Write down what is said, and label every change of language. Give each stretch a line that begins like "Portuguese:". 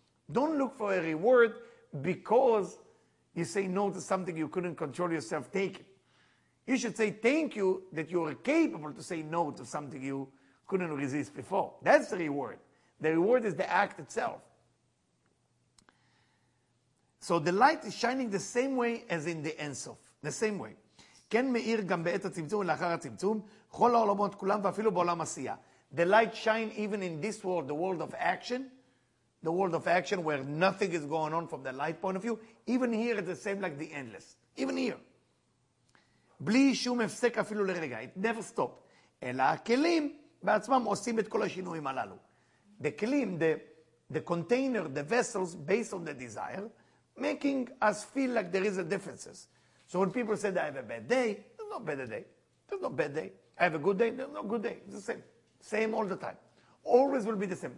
English: Don't look for a reward because you say no to something you couldn't control yourself taking. You should say thank you that you're capable to say no to something you couldn't resist before. That's the reward. The reward is the act itself. So the light is shining the same way as in the Ein Sof. The same way.
Hebrew: כן מאיר גם בעת הצמצום ולאחר הצמצום, כל העולמות כולם ואפילו בעולם עשייה.
English: The light shine even in this world, the world of action. The world of action where nothing is going on from the light point of view. Even here it's the same like the endless. Even here.
Hebrew: בלי שום הפסק אפילו לרגע.
English: It never stopped.
Hebrew: אלא הכלים בעצמם עושים את כל השינויים הללו.
English: The kelim, the container, the vessels based on the desire, making us feel like there is a difference. So when people say that I have a bad day, there's no better day. There's no bad day. I have a good day, there's no good day. It's the same. Same all the time. Always will be the same.